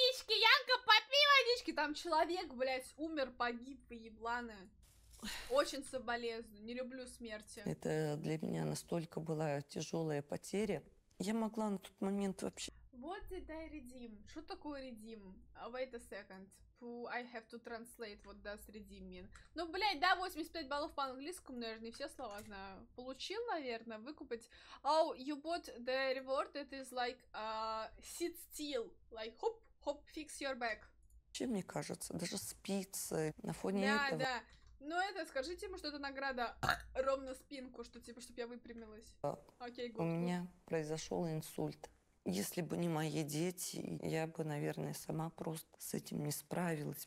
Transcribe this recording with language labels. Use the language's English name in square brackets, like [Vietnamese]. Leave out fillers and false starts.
[Russian] Янка, попей водички! Там человек, блядь, умер, погиб, поебланы. Очень соболезную, не люблю смерти. Это для меня настолько была тяжелая потеря. Я могла на тот момент вообще... [English] What did I redeem? [Russian] Что такое [English] redeem? Wait a second. I have to translate, what does redeem mean? [Russian] Ну, блядь, да, 85 баллов по-английскому, но я же не все слова знаю. Получил, наверное, выкупить. [English] Oh, you bought the reward that is like, sit still. Like, hop, fix your back. [Russian] Чем мне кажется, даже спицы на фоне да, этого. Да, да. Ну, это, скажите ему, что это награда ровно спинку, что типа, чтобы я выпрямилась. Окей, [English] good. [Russian] У меня произошел инсульт. Если бы не мои дети, я бы, наверное, сама просто с этим не справилась.